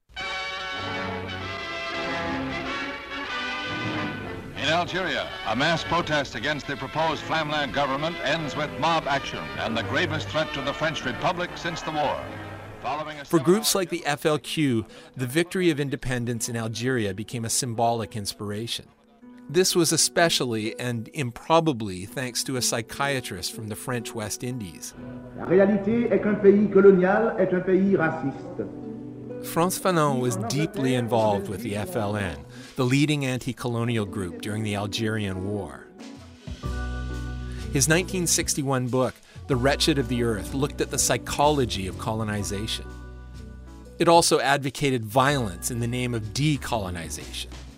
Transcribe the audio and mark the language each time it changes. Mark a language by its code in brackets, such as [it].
[en] In Algeria, a mass protest against the proposed Flamland government ends with mob action and the gravest threat to the French Republic since the war. For groups like the FLQ, the victory of independence in Algeria became a symbolic inspiration. This was especially and improbably thanks to a psychiatrist from the French West Indies. [fr] La réalité est qu'un pays colonial est un pays raciste. [en] Frantz Fanon was deeply involved with the FLN, the leading anti-colonial group during the Algerian War. His 1961 book, The Wretched of the Earth, looked at the psychology of colonization. It also advocated violence in the name of decolonization.